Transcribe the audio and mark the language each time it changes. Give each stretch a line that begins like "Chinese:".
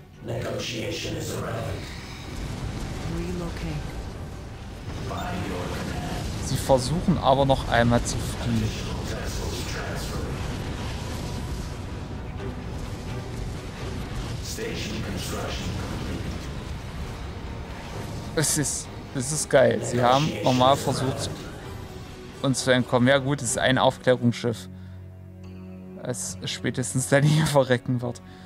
English: Negotiation is irrelevant. Relocate. By your command.
German: Sie versuchen aber noch einmal zu fliehen.
English: Station construction complete.
German: Es ist geil. Sie haben nochmal versucht, uns zu entkommen. Ja gut, es ist ein Aufklärungsschiff. Als spätestens dann hier verrecken wird.